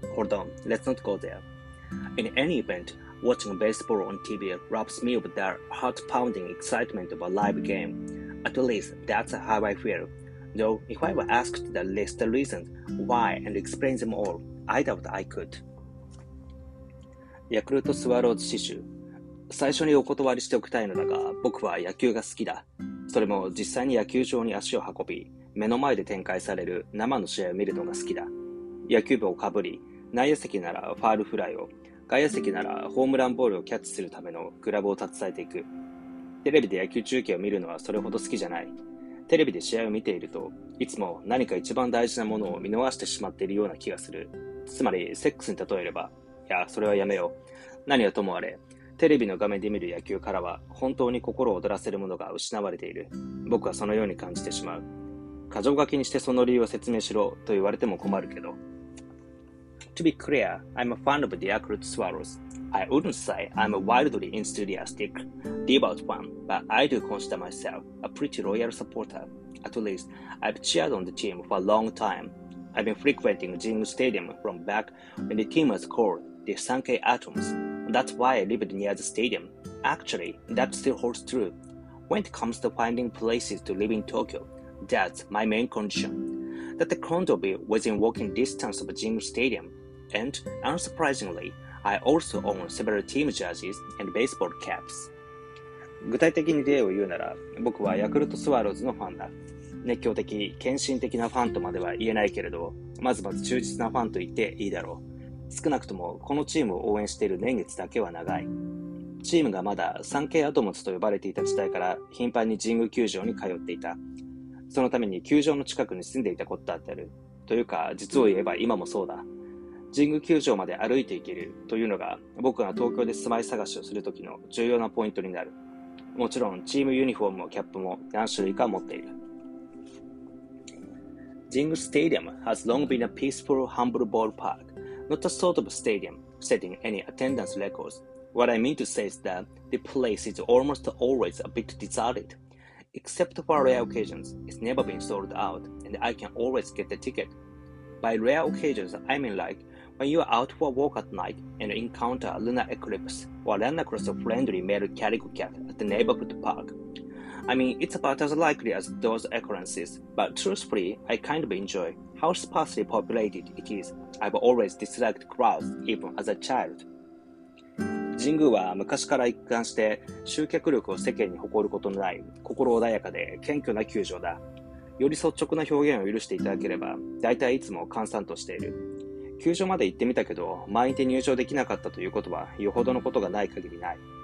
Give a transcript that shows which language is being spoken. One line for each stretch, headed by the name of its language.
English: Hold on, let's not go there. In any event, watching baseball on TV robs me of the heart-pounding excitement of a live game. At least, that's how I feel. Though, if I were asked the list of reasons why and explain them all, I doubt I could.
Japanese: ヤクルトスワローズ刺繍。最初にお断りしておきたいのだが、僕は野球が好きだ。それも実際に野球場に足を運び、目の前で展開される生の試合を見るのが好きだ。野球帽をかぶり、内野席ならファールフライを、外野席ならホームランボールをキャッチするためのグラブを携えていく。テレビで野球中継を見るのはそれほど好きじゃない。テレビで試合を見ていると、いつも何か一番大事なものを見逃してしまっているような気がする。つまり、セックスに例えれば、いや、それはやめよう。何はともあれ、テレビの画面で見る野球からは本当に心を躍らせるものが失われている。僕はそのように感じてしまう。箇条書きにしてその理由を説明しろと言われても困るけど。
English: To be clear, I'm a fan of the Yakult Swallows. I wouldn't say I'm a wildly enthusiastic, devout fan, but I do consider myself a pretty loyal supporter. At least, I've cheered on the team for a long time. I've been frequenting Jingu Stadium from back when the team was called the Sankei Atoms. That's why I lived near the stadium. Actually, that still holds true. When it comes to finding places to live in Tokyo, that's my main condition. That the condo be within walking distance of Jingu Stadium. And, unsurprisingly, I also own several team jerseys and baseball caps.
Japanese: 具体的に例を言うなら、僕はヤクルトスワローズのファンだ。熱狂的、献身的なファンとまでは言えないけれど、まずまず忠実なファンと言っていいだろう。少なくともこのチームを応援している年月だけは長い。チームがまだサンケイアトムズと呼ばれていた時代から頻繁に神宮球場に通っていた。そのために球場の近くに住んでいたことだってある。というか実を言えば今もそうだ。神宮球場まで歩いていけるというのが僕が東京で住まい探しをする時の重要なポイントになる。もちろんチームユニフォームもキャップも何種類か持っている。
English: Jingu Stadium has long been a peaceful, humble ballpark, not a sort of stadium setting any attendance records. What I mean to say is that the place is almost always a bit deserted. Except for rare occasions, it's never been sold out, and I can always get the ticket. By rare occasions, I mean like when you're out for a walk at night and encounter a lunar eclipse, or run across a friendly male calico cat at the neighborhood park. I mean, it's about as likely as those occurrences, but truthfully, I kind of enjoy how sparsely populated it is. I've always disliked crowds, even as a child.
Japanese: 神宮は昔から一貫して集客力を世間に誇ることのない心穏やかで謙虚な球場だ。より率直な表現を許していただければ、大体いつも閑散としている。球場まで行ってみたけど、満員で入場できなかったということは、よほどのことがない限りない。